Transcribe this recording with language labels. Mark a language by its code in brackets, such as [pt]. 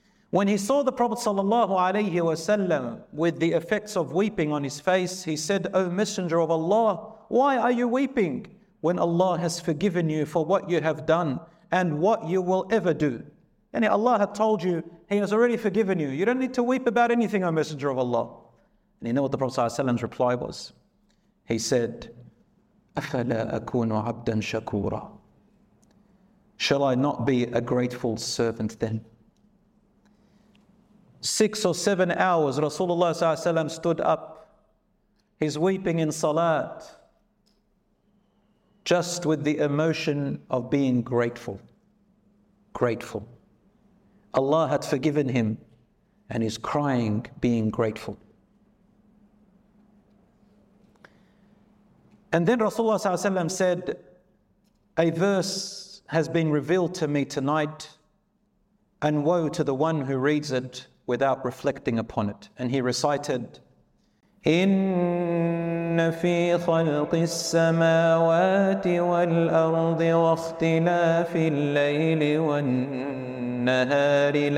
[en] When he saw the Prophet sallallahu alayhi wa sallam with the effects of weeping on his face, he said, O Messenger of Allah, why are you weeping when Allah has forgiven you for what you have done and what you will ever do? And Allah had told you, He has already forgiven you. You don't need to weep about anything, O Messenger of Allah. And you know what the Prophet sallallahu alayhi wa sallam's reply was? He said, [ar] أَفَلَا أَكُونُ عَبْدًا شَكُورًا. [en] Shall I not be a grateful servant then? 6 or 7 hours, Rasulullah sallallahu alayhi wa sallam stood up. He's weeping in salat, just with the emotion of being grateful. Grateful. Allah had forgiven him, and he's crying, being grateful. And then Rasulullah sallallahu alayhi wa sallam said, a verse has been revealed to me tonight, and woe to the one who reads it without reflecting upon it. And he recited, [ar] إِنَّ فِي خَلْقِ السَّمَاوَاتِ وَالْأَرْضِ وَاخْتِلَافِ اللَّيْلِ وَالنَّهَارِ